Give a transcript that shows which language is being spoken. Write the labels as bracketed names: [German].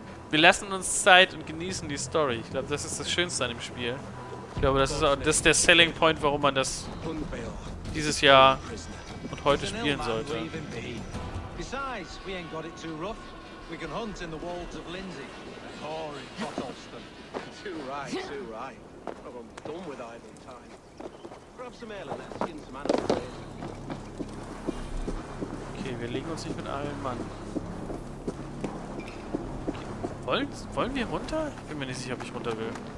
[German] Wir lassen uns Zeit und genießen die Story. Ich glaube, das ist das Schönste an dem Spiel. Ich glaube, das ist der Selling Point, warum man das dieses Jahr und heute spielen sollte. [English] Besides, we ain't got it too rough. We can hunt in the walls of Lindsay. Or in Gottolston. Too right. I'm done with idle time. Grab some ale and let's skin some animals. [German] Okay, wir legen uns nicht mit allen Mann. Wollen wir runter? Ich bin mir nicht sicher, ob ich runter will.